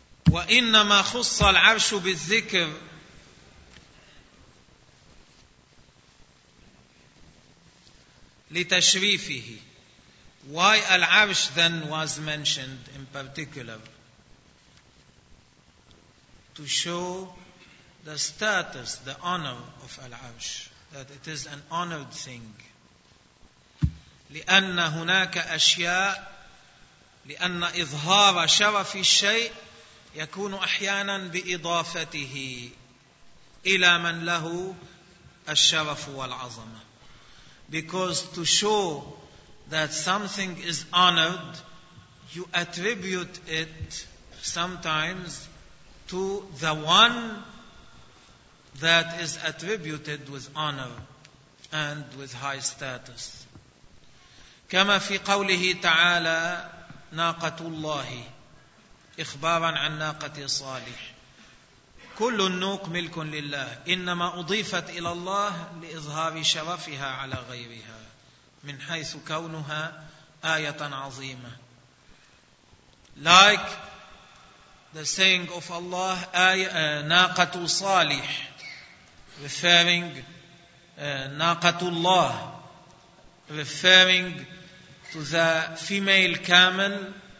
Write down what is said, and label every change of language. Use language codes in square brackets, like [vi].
[ar] وإنما خص العرش بالذكر لتشريفه. [en] Why العرش then was mentioned in particular? To show the status, the honor of العرش, that it is an honored thing. [ar] لأن هناك أشياء, لأن إظهار شرف الشيء يكون أحيانا بإضافته إلى من له الشرف والعظمة. [en] Because to show that something is honored, you attribute it sometimes to the one that is attributed with honor and with high status. [ar] كما في قوله تعالى ناقة الله إخبارا عن ناقة صالح. كل النوق ملك لله إنما أضيفت إلى الله لإظهار شرفها على غيرها من حيث كونها آية عظيمة. [en] Like the saying of Allah [ar] ناقة صالح, [en] referring [ar] ناقة الله, [en] referring to the female camel,